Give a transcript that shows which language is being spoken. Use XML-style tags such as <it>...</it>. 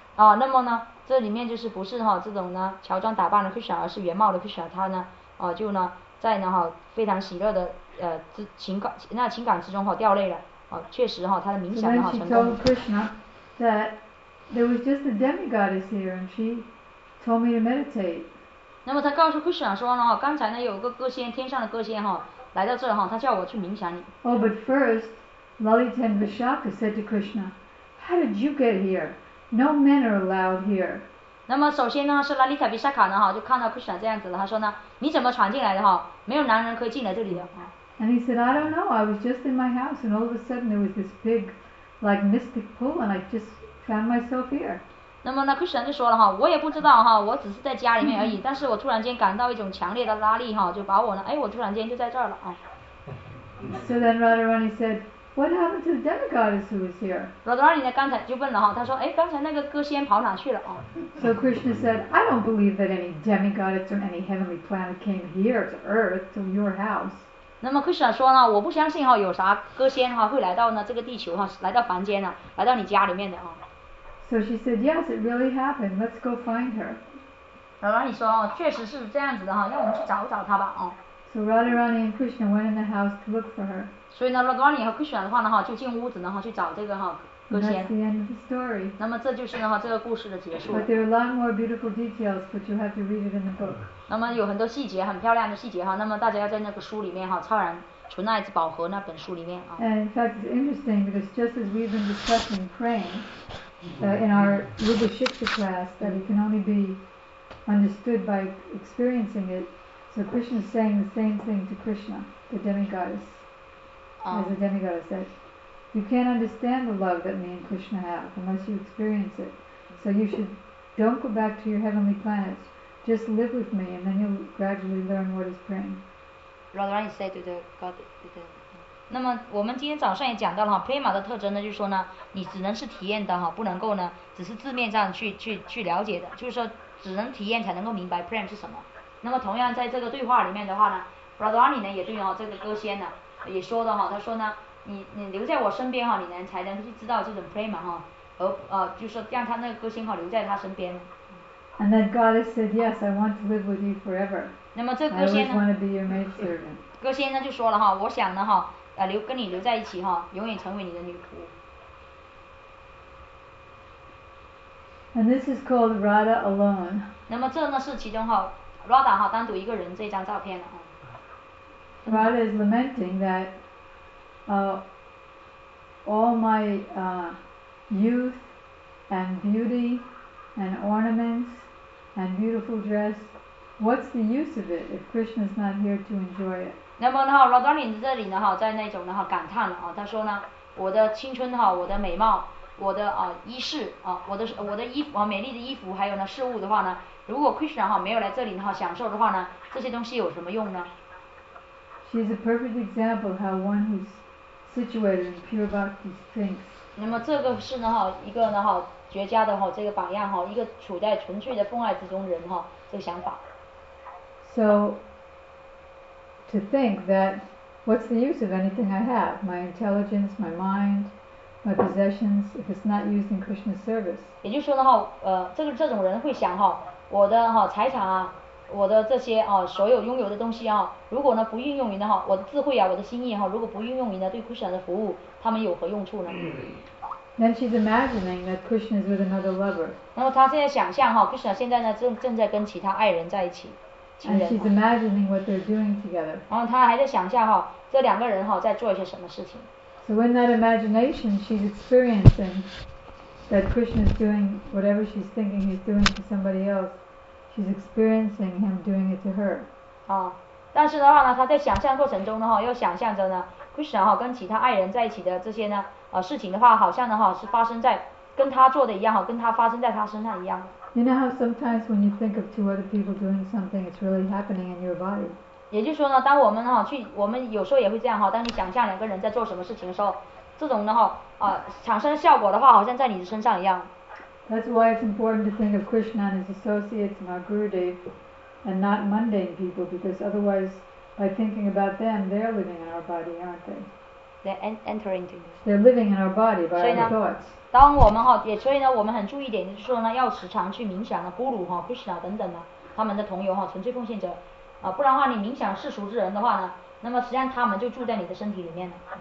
<zh>啊，那么呢，这里面就是不是哈这种呢乔装打扮的 Krishna， 而是原貌的 Krishna， 他呢，就呢在呢哈非常喜乐的情感之中哈掉泪了，确实哈他的冥想哈成功。</zh> <en>So then she told Krishna that there was just a demigoddess here, and she told me to meditate.</en> <zh>那么他告诉 Krishna 说呢，刚才呢有个歌仙，天上的歌仙哈，来到这哈，他叫我去冥想你。</zh> <en>Oh, but first, Lalita and Vishaka said to Krishna, "How did you get here? No men are allowed here."</en> <zh>那么首先呢，是 Lalita Vishaka 呢哈，就看到 Krishna 这样子了，他说呢，你怎么闯进来的哈？没有男人可以进来这里的。</zh> <en>And he said, "I don't know. I was just in my house, and all of a sudden there was this big, like mystic pool, and I just found myself here."</en> <zh>那么呢 ，Krishna 就说了哈，我也不知道哈，我只是在家里面而已，但是我突然间感到一种强烈的拉力哈，就把我呢，哎，我突然间就在这儿了啊。</zh> <en>So then Radharani said, "What happened to the demigoddess who was here?"</en> <zh>Radharani 呢刚才就问了哈，他说，哎，刚才那个歌仙跑哪去了啊</zh> <en>？So Krishna said, "I don't believe that any demigoddess or any heavenly planet came here to Earth to your house."</en> <zh>那么 Krishna 说呢，我不相信哈，有啥歌仙哈会来到呢这个地球哈，来到凡间呢，来到你家里面的啊。</zh> <en>So she said, "Yes, it really happened. Let's go find her."</en> <zh>Radharani 说，确实是这样子的哈，让我们去找找她吧，哦。</zh> <en>So Radharani and Krishna went in the house to look for her.</en> <zh>所以呢 ，Radharani 和 Krishna 的话呢哈，就进屋子呢哈，去找这个哈歌仙。</zh> <en>That's the end of the story.</en> <zh>那么这就是呢哈这个故事的结束。</zh> <en>But there are a lot more beautiful details, but you have to read it in the book.</en> <zh>那么有很多细节，很漂亮的细节哈。那么大家要在那个书里面哈，《超然纯爱之宝盒》那本书里面啊。</zh> <en>And in fact, it's interesting because just as we've been discussing praying. In our Rubashiksha class, that it can only be understood by experiencing it. So Krishna is saying the same thing to Krishna, the demigoddess, as the demigoddess said. You can't understand the love that me and Krishna have unless you experience it. So you should don't go back to your heavenly planets. Just live with me, and then you'll gradually learn what is praying. Radharani said to the God.</en> <zh>那么我们今天早上也讲到了哈 ，prema 的特征呢，就是说呢，你只能是体验的哈，不能够呢，只是字面上去了解的，就是说只能体验才能够明白 prema 是什么。那么同样在这个对话里面的话呢 ，Radharani 呢也对哈这个歌仙呢也说的哈，他说呢，你留在我身边哈，你能才能去知道这种 prema 哈，而就是让他那个歌仙哈留在他身边。</zh> <en>And then God said, "Yes, I want to live with you forever."</en> <zh>那么这歌仙呢</zh> <en>，I always want to be your maid servant.</en> <zh>歌仙呢就说了哈，我想呢哈。跟你留在一起哈，永远成为你的女仆。</zh> <en>And this is called Radha alone.</en> <zh>那么这呢是其中哈 Radha 哈单独一个人这张照片了。</zh> <en>Radha is lamenting that, all my youth and beauty and ornaments and beautiful dress, what's the use of it if Krishna is not here to enjoy it?</en> <zh>那么呢哈 ，Radhani 这里呢哈，在那种呢哈感叹了啊，他说呢，我的青春哈，我的美貌，我的啊衣饰啊，我的衣服啊，美丽的衣服，还有呢事物的话呢，如果 Krishna 哈没有来这里呢哈享受的话呢，这些东西有什么用呢？</zh> <en>She is a perfect example of how one who's situated in pure bhakti thinks.</en> <zh>那么这个是呢哈一个呢哈绝佳的哈这个榜样哈一个处在纯粹的奉爱之中人哈这个想法。</zh> <en>So to think that what's the use of anything I have, my intelligence, my mind, my possessions, if it's not used in Krishna's service.</en> <zh>也就是说呢哈这种人会想哈我的哈财产啊。我的这些啊，所有拥有的东西啊，如果呢不运用于呢哈，我的智慧啊，我的心意哈、啊，如果不运用于呢对 Krishna 的服务，他们有何用处呢</zh> <en>？Then she's imagining that Krishna is with another lover.</en> <zh>那么她现在想象哈、啊、，Krishna 现在呢正在跟其他爱人在一起，情人。</zh> <en>And she's imagining what they're doing together.</en> <zh>然后她还在想象哈、啊，这两个人哈、啊、在做一些什么事情。</zh> <en>So in that imagination, she's experiencing that Krishna is doing whatever she's thinking he's doing to somebody else. She's experiencing him doing it to her.</en> <zh>啊，但是的话呢，她在想象过程中呢，哈，又想象着呢 ，Krishna 哈跟其他爱人在一起的这些呢，事情的话，好像呢，哈，是发生在跟她做的一样，哈，跟她发生在她身上一样。</zh> <en>You know how sometimes when you think of two other people doing something, it's really happening in your body.</en> <zh>也就是说呢，当我们哈去，我们有时候也会这样哈，当你想象两个人在做什么事情的时候，这种呢，哈，产生效果的话，好像在你的身上一样。</zh> <en>That's why it's important to think of Krishna and his associates and our Gurudev and not mundane people because otherwise by thinking about them, they're living in our body, aren't they? They're entering into us. They're living in our body by our thoughts.</en> <zh>当我们哈，也所以呢，我们很注意一点，就是说呢，要时常去冥想的 Guru 哈 ，Krishna 等等呢，他们的同游哈，纯粹奉献者啊，不然的话，你冥想世俗之人的话呢，那么实际上他们就住在你的身体里面了。</zh>